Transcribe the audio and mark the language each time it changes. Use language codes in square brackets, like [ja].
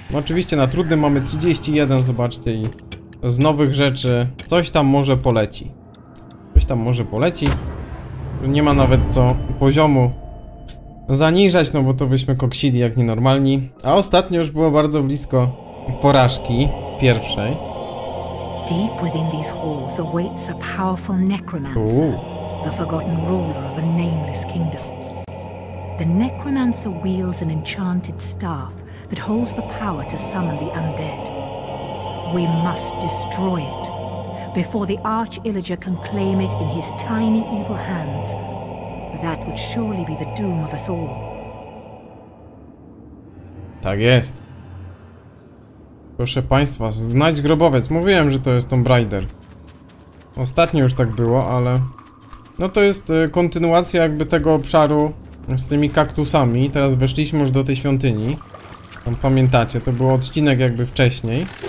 [pl] No oczywiście na trudnym mamy 31, zobaczcie i... Z nowych rzeczy coś tam może poleci. Coś tam może poleci. Nie ma nawet co poziomu zaniżać, no bo to byśmy koksili jak nienormalni. A ostatnio już było bardzo blisko porażki pierwszej. [en] Deep within these halls awaits a powerful necromancer, the forgotten ruler of a nameless kingdom. The necromancer wields an enchanted staff that holds the power to summon the undead. We must destroy it before the Arch-Illager can claim it in his tiny evil hands. That would surely be the doom of us all. [pl] Tak jest. Proszę państwa, znajdź grobowiec. Mówiłem, że to jest Tomb Raider. Ostatnio już tak było, ale... No to jest kontynuacja jakby tego obszaru z tymi kaktusami. Teraz weszliśmy już do tej świątyni. Tam pamiętacie, to był odcinek jakby wcześniej.